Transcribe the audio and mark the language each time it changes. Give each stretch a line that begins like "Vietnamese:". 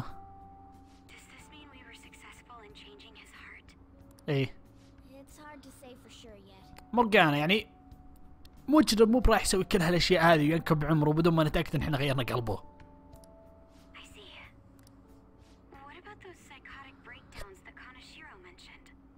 English: Does this mean we were successful in changing his heart?
Arabic: إيه.
English: It's hard to say for sure yet.
Arabic: مرجانة يعني مجرم مو برايح يسوي كل هالأشياء هذه وينكب عمره بدون ما نتأكد إن إحنا غيرنا قلبه.
English: I see. What about those psychotic breakdowns that Kanashiro mentioned?